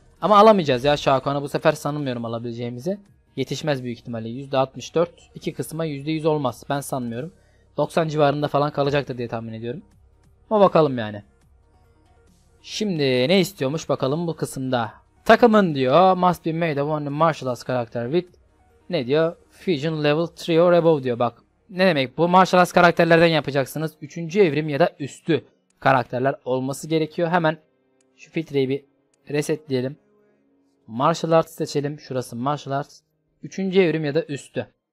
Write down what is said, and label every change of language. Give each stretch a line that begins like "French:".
Turkish: Ama alamayacağız ya Şakuan'ı bu sefer sanmıyorum alabileceğimizi. Yetişmez büyük ihtimalle. %64. İki kısma %100 olmaz. Ben sanmıyorum. 90 civarında falan kalacaktır diye tahmin ediyorum. Ama bakalım yani. Şimdi ne istiyormuş bakalım bu kısımda. Takımın diyor.
English: Must be made of one martial arts character with.
Turkish: Ne diyor?
English: Fusion level 3 or above
Turkish: diyor. Bak. Ne demek bu? Martial arts karakterlerden yapacaksınız. 3. evrim ya da üstü karakterler olması gerekiyor. Hemen şu filtreyi bir resetleyelim. Martial arts seçelim. Şurası martial arts. 3. evrim ya da üstü.